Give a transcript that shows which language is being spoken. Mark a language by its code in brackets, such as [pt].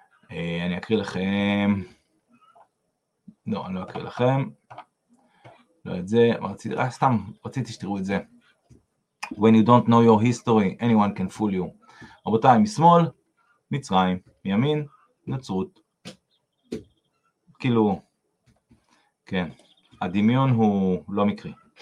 [he] אני אקריא לכם, לא, אני לא אקריא לכם, לא את זה, סתם רציתי שתראו את זה. [en] When you don't know your history, anyone can fool you. [he] רבותיי, משמאל, מצרים, מימין, נצרות. כאילו, כן, הדמיון הוא לא מקרי.